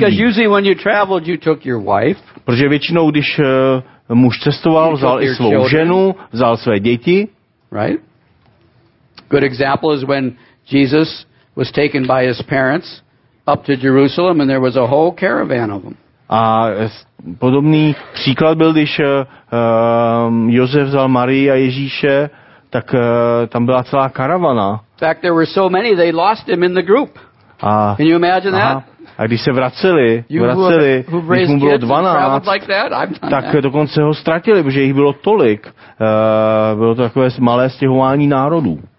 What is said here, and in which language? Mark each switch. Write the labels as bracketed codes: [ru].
[en] Because usually when you traveled, you took your wife. [cs] Protože většinou, když muž cestoval, vzal i svou ženu, vzal své děti. [en] Right? Good example is when Jesus was taken by his parents up to Jerusalem and there was a whole caravan of them. [cs] A podobný příklad byl, když Josef vzal Marii a Ježíše, tak tam byla celá karavana. [en] In fact, there were so many they lost him in the group. Can you imagine that? [cs] A když se vraceli, když mu bylo 12, tak dokonce ho ztratili, protože jich bylo tolik. Bylo to takové malé stěhování národů.